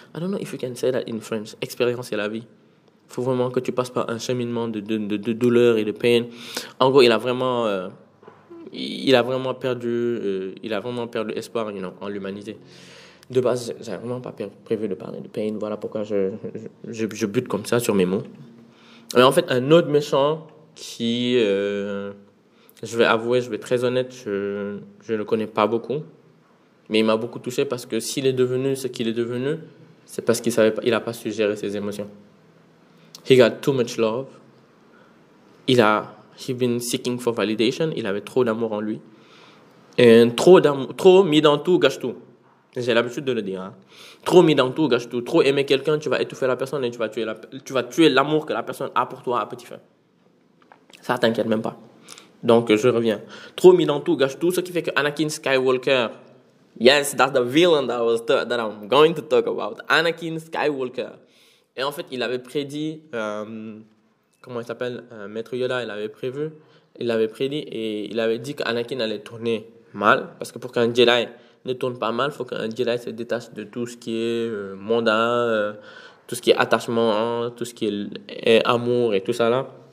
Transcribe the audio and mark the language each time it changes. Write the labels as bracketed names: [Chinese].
[English] I don't know if you can say that in French, [French] expérimenter la vie. Il faut vraiment que tu passes par un cheminement de douleur et de peine. En gros, il a vraiment perdu espoir, [English] you know, [French] en l'humanité. De base, j'avais vraiment pas prévu de parler de peine. Voilà pourquoi je bute comme ça sur mes mots. Mais en fait, un autre méchant qui, je vais avouer, je vais être très honnête, je ne le connais pas beaucoup, mais il m'a beaucoup touché parce que s'il est devenu ce qu'il est devenu, c'est parce qu'il savait pas, il a pas su gérer ses émotions. [English] He got too much love. He's been seeking for validation. [French] Il avait trop d'amour en lui. Et trop d'amour, trop mis dans tout, gâche tout. J'ai l'habitude de le dire. Hein. Trop mis dans tout, gâche tout. Trop aimer quelqu'un, tu vas étouffer la personne et tu vas tuer l'amour que la personne a pour toi à petit feu. Ça t'inquiète même pas. Donc je reviens. Trop mis dans tout, gâche tout. Ce qui fait que Anakin Skywalker. [English] Yes, that's the villain that I'm going to talk about. [French] Anakin Skywalker. Et en fait, il avait prédit, comment il s'appelle, Maître Yoda, il avait prédit et il avait dit qu'Anakin allait tourner mal. Parce que pour qu'un Jedi ne tourne pas mal, il faut qu'un Jedi se détache de tout ce qui est mandat, tout ce qui est attachement, hein, tout ce qui est amour et tout ça là.